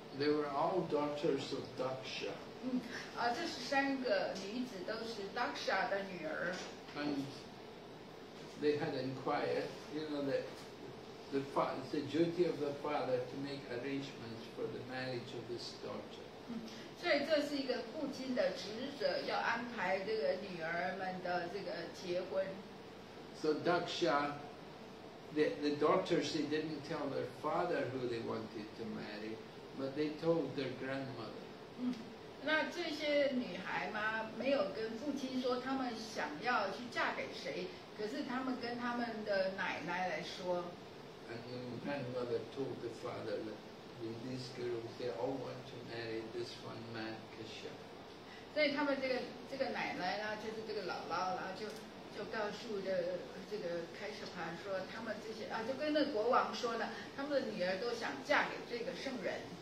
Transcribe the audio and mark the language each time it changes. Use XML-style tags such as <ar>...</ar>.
<en>They were all daughters of Daksha.</en> <zh>这是三个女子都是 Daksha 的女儿。</zh> <en>And they had inquired, you know, that the father, it's the duty of the father to make arrangements for the marriage of his daughter.</en> <zh>所以这是一个父亲的职责，要安排这个女儿们的这个结婚。</zh> <en>So Daksha, the daughters, they didn't tell their father who they wanted to marry, but they told their grandmother.</en> <zh>那这些女孩嘛，没有跟父亲说她们想要去嫁给谁，可是她们跟她们的奶奶来说。</zh> <en>And the grandmother told the father that. These girls, they all want to marry this one man, Kashyapa.</en> <zh>所以他们这个奶奶呢，就是这个姥姥呢，就告诉的这个开始盘说，他们这些就跟那个国王说呢，他们的女儿都想嫁给这个圣人。</zh>